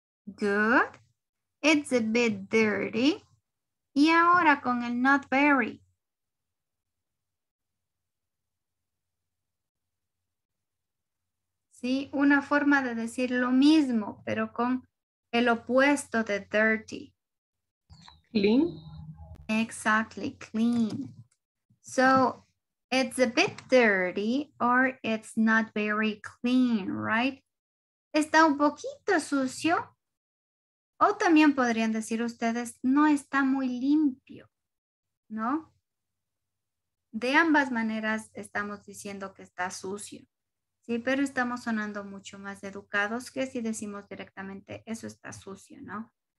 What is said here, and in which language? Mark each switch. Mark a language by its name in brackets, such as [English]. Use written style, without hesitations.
[English] Good. It's a bit dirty. [Spanish] Y ahora con el [English] not very. [Spanish] ¿Sí? Una forma de decir lo mismo, pero con el opuesto de dirty. [English] Clean. Exactly, clean. So, it's a bit dirty or it's not very clean, right? [Spanish] Está un poquito sucio. O también podrían decir ustedes, no está muy limpio, ¿no? De ambas maneras estamos diciendo que está sucio. Sí, pero estamos sonando mucho más educados que si decimos directamente eso está sucio, ¿no?